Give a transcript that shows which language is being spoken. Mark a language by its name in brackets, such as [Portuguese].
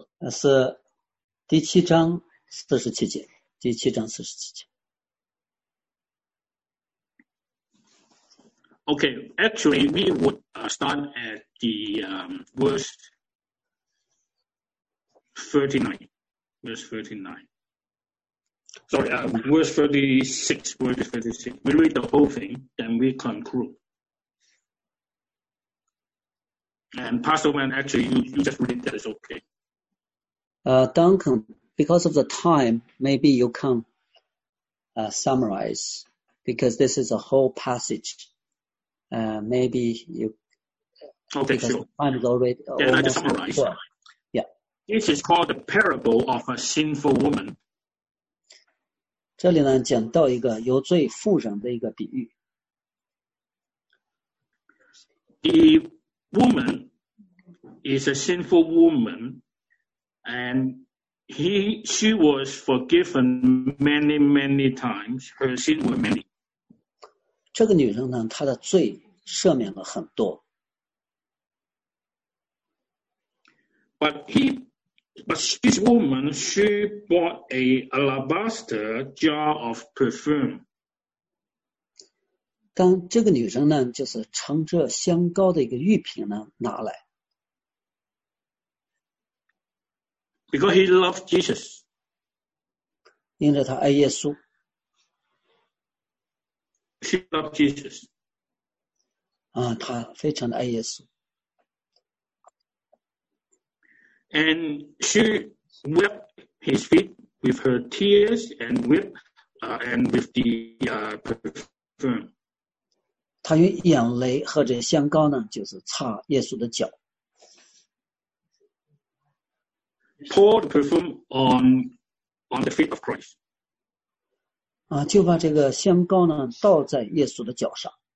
[Chinese] 是第七章四十七节，第七章四十七节。 [English] Okay, actually, we would start at the verse 39. Verse 36. We read the whole thing, then we conclude. And Pastor Wen, actually, you just read that is okay. Duncan, because of the time, maybe you can summarize, because this is a whole passage. Maybe you... Okay, sure. Time is already... Then I just summarize. Before. Yeah. This is called the parable of a sinful woman. [Chinese] 这里呢讲到一个有罪妇人的一个比喻。 [English] The woman is a sinful woman, and she was forgiven many, many times. Her sin were many. [Chinese] 这个女人呢，她的罪赦免了很多。 [English] But this woman, she bought an alabaster jar of perfume. [Chinese] 当这个女人呢，就是盛着香膏的一个玉瓶呢，拿来。 [English] Because he loved Jesus. [Chinese] 因着他爱耶稣。 [English] She loved Jesus. [Chinese] 啊，他非常的爱耶稣。 [English] And she wiped his feet with her tears and with the perfume. [Chinese] 她用眼泪和这香膏呢，就是擦耶稣的脚。 [English] Poured perfume on the feet of Christ. [Chinese] 啊，就把这个香膏呢倒在耶稣的脚上。